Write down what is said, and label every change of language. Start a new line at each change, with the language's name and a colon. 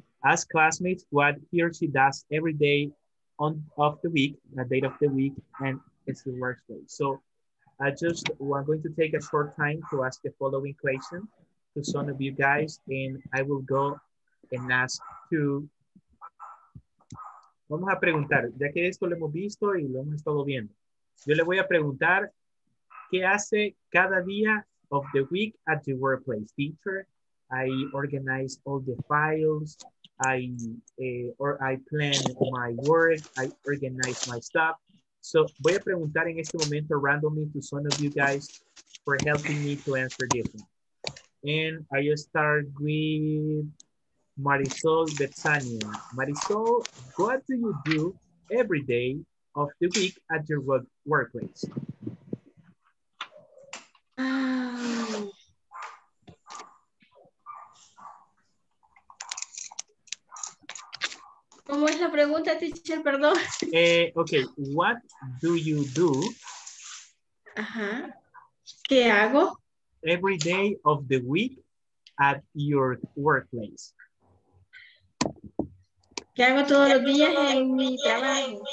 English: Ask classmates what he or she does every day of the week, a date of the week, and it's the workplace. So I just, well, I'm going to take a short time to ask the following question to some of you guys, and I will go and ask to.
Spanish: Vamos a preguntar, ya que esto lo hemos visto y lo hemos estado viendo. Yo le voy a preguntar, ¿qué hace cada día
English: of the week at the workplace? Teacher, I organize all the files, I plan my work, I organize my stuff. So,
Spanish: voy a preguntar en este momento
English: randomly to some of you guys for helping me to answer this one. And I start with Marisol Betsania. Marisol, what do you do every day of the week at your workplace?
Spanish: ¿Cómo es la pregunta, teacher? Perdón.
English: Okay, what do you do?
Spanish: Ajá. ¿Qué hago?
English: Every day of the week at your workplace.
Spanish: ¿Qué hago todos los días en mi trabajo?